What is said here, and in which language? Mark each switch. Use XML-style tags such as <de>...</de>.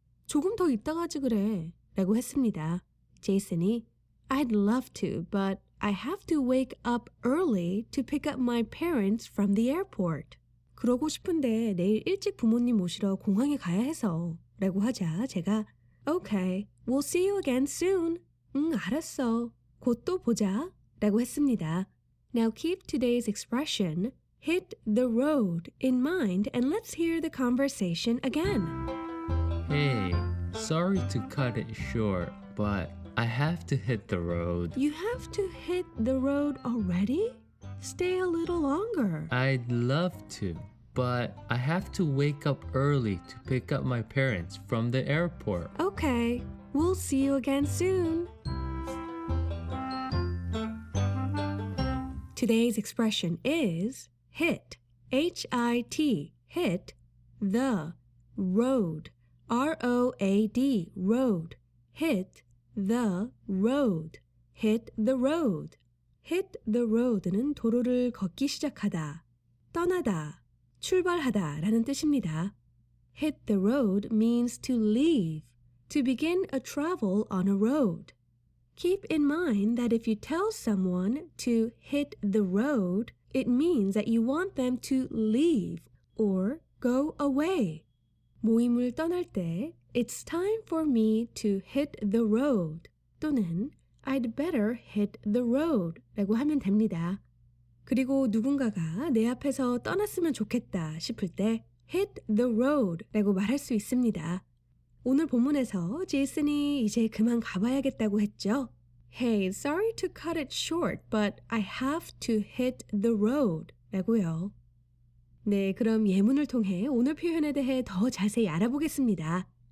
<ko>조금 더 있다가지 그래 라고 했습니다.</ko> <en>제이슨이 I'd love to, but I have to wake up early to pick up my parents from the airport.</en> <ko>그러고 싶은데 내일 일찍 부모님 모시러 공항에 가야 해서 라고 하자 제가</ko> <en>Okay, we'll see you again soon.</en> <ko>응, 알았어. 곧 또 보자 라고 했습니다.</ko> <en>Now keep today's expression, hit the road, in mind and let's hear the conversation again. Hey, sorry to cut it short, but I have to hit the road. You have to hit the road already? Stay a little longer. I'd love to. But I have to wake up early to pick up my parents from the airport. Okay, we'll see you again soon. Today's expression is hit, H-I-T, hit the road, R-O-A-D, road, hit the road, hit the road.</en> <ko>Hit the road는 도로를 걷기 시작하다, 떠나다. 출발하다 라는 뜻입니다.</ko> <en>Hit the road means to leave, to begin a travel on a road. Keep in mind that if you tell someone to hit the road, it means that you want them to leave or go away.</en> <ko>모임을 떠날 때,</ko> <en>it's time for me to hit the road</en> <ko>또는</ko> <en>I'd better hit the road</en> <ko>라고 하면 됩니다. 그리고 누군가가 내 앞에서 떠났으면 좋겠다 싶을 때 hit the road 라고 말할 수 있습니다. 오늘 본문에서 제이슨이 이제 그만 가봐야겠다고 했죠.</ko> <en>Hey, sorry to cut it short, but I have to hit the road</en> <ko>라고요. 네, 그럼 예문을 통해 오늘 표현에 대해 더 자세히 알아보겠습니다.</ko>